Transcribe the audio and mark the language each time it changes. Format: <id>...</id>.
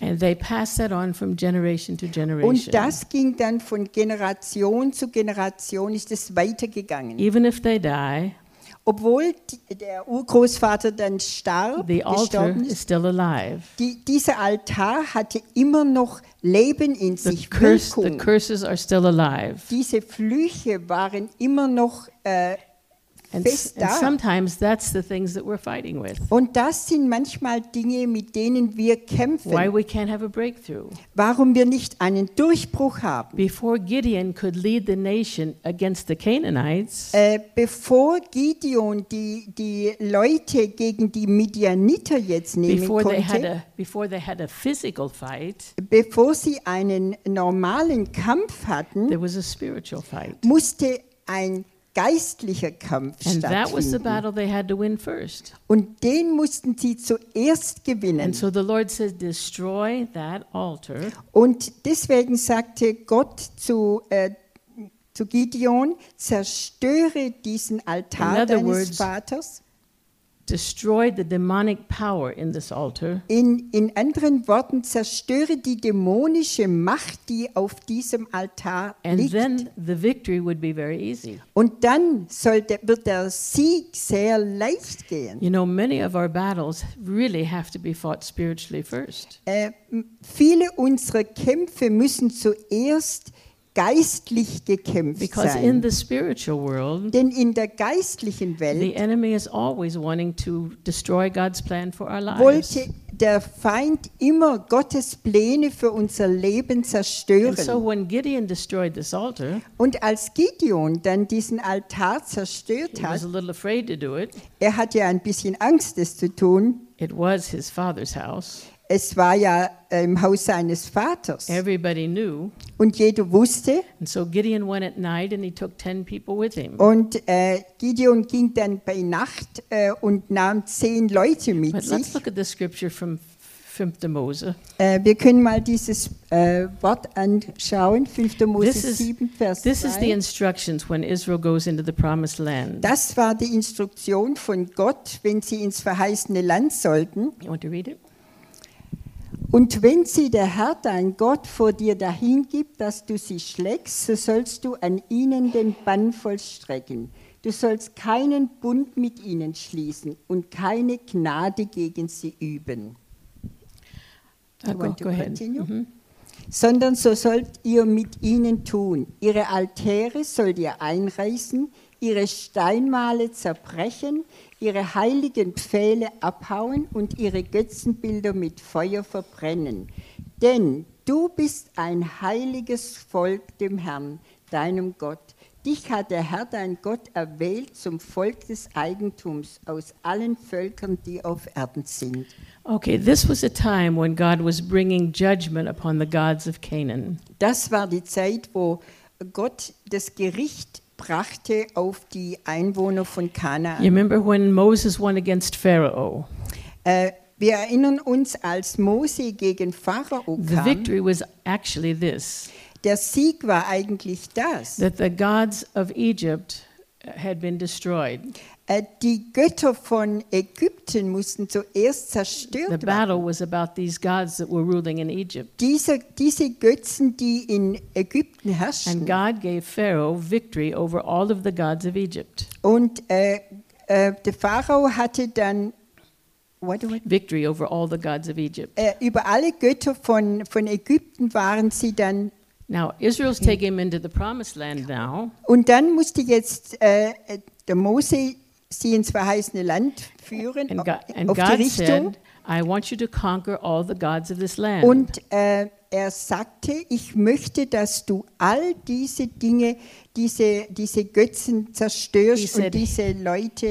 <en>And they pass that on from generation to generation.</en> <de>Und das ging dann von Generation zu Generation, ist es weitergegangen.</de> <en>Even if they die,</en> <de>obwohl der Urgroßvater dann starb,</de> <en>the altar is still alive.</en> <de>Dieser Altar hatte immer noch Leben in</de> <en>the</en> <de>sich, curse, Wirkung.</de> <en>The curses are still alive.</en> <de>Diese Flüche waren immer noch fest da.</de> <en>And sometimes that's the things that we're fighting with.</en> <de>Und das sind manchmal Dinge, mit denen wir kämpfen.</de> <en>Why we can't have a breakthrough.</en> <de>Warum wir nicht einen Durchbruch haben.</de> <en>Before Gideon could lead the nation against the Canaanites,</en> <de>bevor Gideon die Leute gegen die Midianiter jetzt nehmen</de> <en>before</en> <de>konnte,</de> <en>before they had a physical fight,</en> <de>bevor sie einen normalen Kampf hatten,</de> <en>there was a spiritual fight.</en> <de>Musste ein geistlicher Kampf</de> <en>and</en> <de>stattfinden.</de> <en>That was the battle they had to win first.</en> <de>Und den mussten sie zuerst gewinnen.</de> <en>And so the Lord says, destroy that altar.</en> <de>Und deswegen sagte Gott zu Gideon, zerstöre diesen Altar</de> <en>in other</en> <de>deines</de> <en>words,</en> <de>Vaters.</de> <en>Destroy the demonic power in this altar.</en> <de>In anderen Worten, zerstöre die dämonische Macht, die auf diesem Altar</de> <en>and</en> <de>liegt.</de> <en>Then the victory would be very easy.</en> <de>Und dann wird der Sieg sehr leicht gehen.</de> <en>You know, many of our battles really have to be fought spiritually first.</en> <de>Viele unserer Kämpfe müssen zuerst geistlich gekämpft</de> <en>because</en> <de>sein.</de> <en>In the spiritual world,</en> <de>denn in der geistlichen Welt,</de> <en>the enemy is always wanting to destroy God's plan for our lives.</en> <de>Wollte der Feind immer Gottes Pläne für unser Leben zerstören.</de> <en>And so when Gideon destroyed this altar,</en> <de>und als Gideon dann diesen Altar zerstört hat,</de> <en>he was a little afraid to do it.</en> <de>Er hatte ein bisschen Angst, es zu tun.</de> <en>It was his father's house.</en> <de>Es war ja im Haus seines Vaters.</de> <en>Everybody knew.</en> <de>Und jeder wusste.</de> <en>And so Gideon went at night and he took 10 people with him.</en> <de>Und Gideon ging dann bei Nacht und nahm 10 Leute mit</de> <en>but</en> <de>sich.</de> <en>Let's look at the scripture from 5. Mose.</en> <de>Wir können mal dieses Wort anschauen, 5. Mose 7, Vers 2.</de> <en>This is the instructions when Israel goes into the promised land.</en> <de>Das war die Instruktion von Gott, wenn sie ins verheißene Land sollten.</de> <en>You want to read it?</en> <de>Und wenn sie der Herr, dein Gott, vor dir dahin gibt, dass du sie schlägst, so sollst du an ihnen den Bann vollstrecken. Du sollst keinen Bund mit ihnen schließen und keine Gnade gegen sie üben.</de> <en>Go ahead. Mm-hmm.</en> <de>Sondern so sollt ihr mit ihnen tun. Ihre Altäre sollt ihr einreißen, ihre Steinmale zerbrechen, ihre heiligen Pfähle abhauen und ihre Götzenbilder mit Feuer verbrennen. Denn du bist ein heiliges Volk dem Herrn, deinem Gott. Dich hat der Herr, dein Gott, erwählt zum Volk des Eigentums aus allen Völkern, die auf Erden sind.</de> <en>Okay, this was a time when God was bringing judgment upon the gods of Canaan.</en> <de>Das war die Zeit, wo Gott das Gericht brachte auf die Einwohner von Kanaan.</de> <en>You remember when Moses won against Pharaoh?</en> <de>Wir erinnern uns, als Mose gegen Pharao kam.</de> <en>The victory was actually this.</en> <de>Der Sieg war eigentlich das.</de> <en>That the gods of Egypt had been destroyed.</en> <de>Die Götter von Ägypten mussten zuerst zerstört werden.</de> <en>The battle was about these gods that were ruling in Egypt.</en> <de>Diese Götzen, die in Ägypten herrschten.</de> <en>And God gave Pharaoh victory over all of the gods of Egypt.</en> <de>Und der Pharao hatte dann</de> <en>victory over all the gods of Egypt.</en> <de>Über alle Götter von Ägypten waren sie dann.</de> <en>Now Israel's taking him into the promised land now.</en> <de>Und dann musste jetzt der Mose sie ins verheißene Land führen,</de> <en>and God said, I want you to conquer all the gods of this land.</en> <de>Und er sagte, ich möchte, dass du all diese Dinge, diese Götzen zerstörst und diese Leute tötest.</de>